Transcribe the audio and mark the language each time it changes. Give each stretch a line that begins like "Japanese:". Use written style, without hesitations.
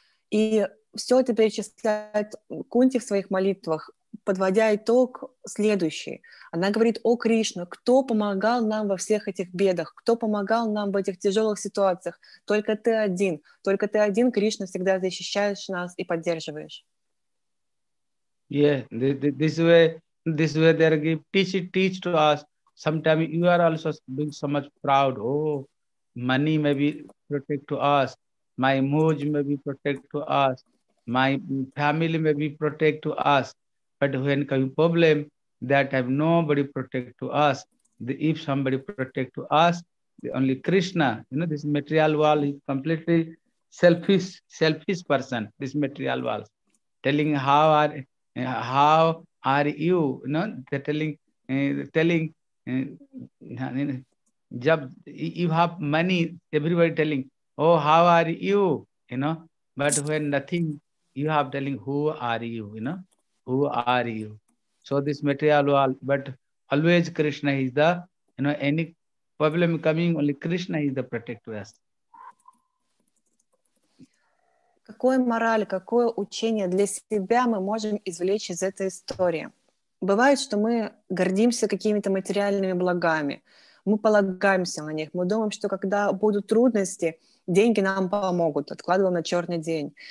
Russian: И все это перечисляет Кунти в своих молитвах, подводя итог следующий. Она говорит: «О Кришна, кто помогал нам во всех этих бедах? Кто помогал нам в этих тяжелых ситуациях? Только ты один. Только ты один, Кришна, всегда защищаешь нас и поддерживаешь».
English: Yeah, this way they are giving teach to us. Sometimes you are also being so much proud. Oh, money may be protect to us. My mood may be protect to us. My family may be protect to us. But when coming problem, that have nobody protect to us. If somebody protect to us, the only Krishna, you know, this material world is completely selfish person, this material world. Telling how are you, you know, they're telling, you have money, everybody telling, oh, how are you, you know. But when nothing, you have telling, who are you, you know. Who are you? So this material world, but always Krishna is the, you know, any problem coming, only Krishna is the protector us.
Russian: Какое мораль, какое учение для себя мы можем извлечь из этой истории? Бывает, что мы гордимся какими-то материальными благами, мы полагаемся на них, мы думаем, что когда будут трудности, деньги нам помогут, откладываем на черный день.